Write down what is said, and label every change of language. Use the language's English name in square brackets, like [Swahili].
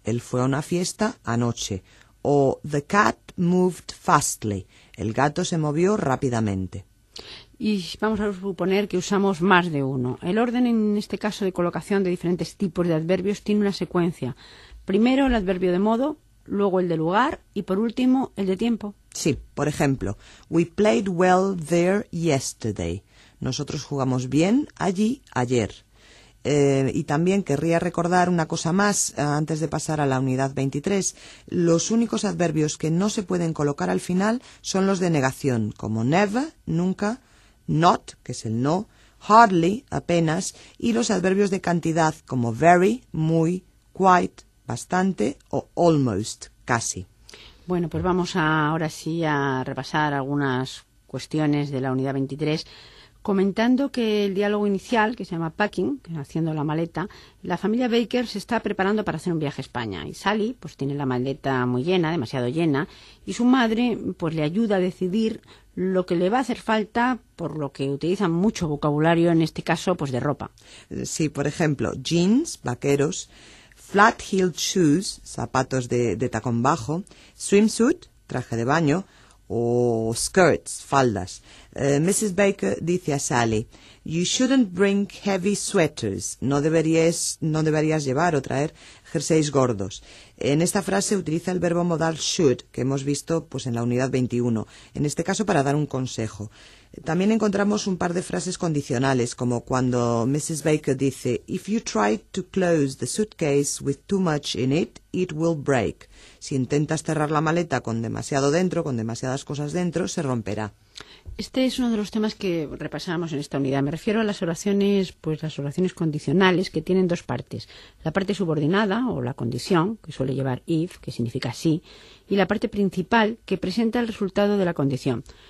[Spanish] Él fue a una fiesta anoche. O [English] the cat moved fastly. [Spanish] El gato se movió rápidamente. Y vamos a suponer que usamos más de uno. El orden en este caso de colocación de diferentes tipos de adverbios tiene una secuencia. Primero el adverbio de modo, luego el de lugar y por último el de tiempo. Sí, por ejemplo, [English] we played well there yesterday. [Spanish] Nosotros jugamos bien allí ayer. Y también querría recordar una cosa más antes de pasar a la unidad 23. Los únicos adverbios que no se pueden colocar al final son los de negación, como never, nunca, not, que es el no, hardly, apenas, y los adverbios de cantidad como very, muy, quite, bastante o almost, casi. Bueno, pues vamos ahora sí a repasar algunas cuestiones de la unidad 23. Comentando que el diálogo inicial, que se llama Packing, que está haciendo la maleta, la familia Baker se está preparando para hacer un viaje a España. Y Sally, pues tiene la maleta muy llena, demasiado llena, y su madre, pues le ayuda a decidir lo que le va a hacer falta, por lo que utiliza mucho vocabulario, en este caso, pues de ropa. Sí, por ejemplo, jeans, vaqueros, flat-heeled shoes, zapatos de tacón bajo, swimsuit, traje de baño, o skirts, faldas. [English] Mrs. Baker [Spanish] dice a [English] Sally, you shouldn't bring heavy sweaters. [Spanish] No deberías llevar o traer jerseys gordos. En esta frase utiliza el verbo modal should, que hemos visto pues en la unidad 21. En este caso para dar un consejo. También encontramos un par de frases condicionales, como cuando Mrs. [English] Baker dice, if you try to close the suitcase with too much in it, it will break. [Spanish] Si intentas cerrar la maleta con demasiado dentro, con demasiadas cosas dentro, se romperá. Este es uno de los temas que repasamos en esta unidad. Me refiero a las oraciones condicionales, que tienen dos partes. La parte subordinada, o la condición, que suele llevar if, que significa sí, y la parte principal, que presenta el resultado de la condición.